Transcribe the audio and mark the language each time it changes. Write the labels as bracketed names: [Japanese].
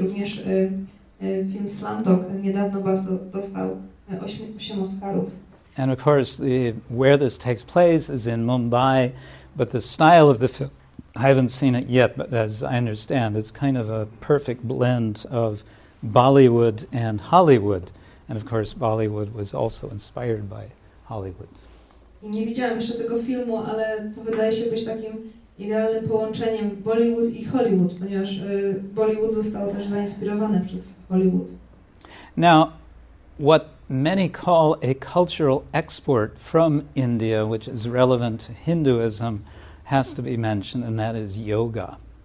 [Polish] Również film Slumdog niedawno bardzo dostał 8 Oscarów. [English] And of course, where this takes place is in Mumbai, but the style of the film, I haven't seen it yet, but as I understand, it's kind of a perfect blend of Bollywood and Hollywood. And of course, Bollywood was also inspired by Hollywood. [Polish] I nie widziałem jeszcze tego filmu, ale to wydaje się być takim idealnym połączeniem Bollywood i Hollywood, ponieważ Bollywood został też zainspirowany przez Hollywood. [English] Now, what many call a cultural export from India, which is relevant to Hinduism, has to be mentioned, and that is yoga.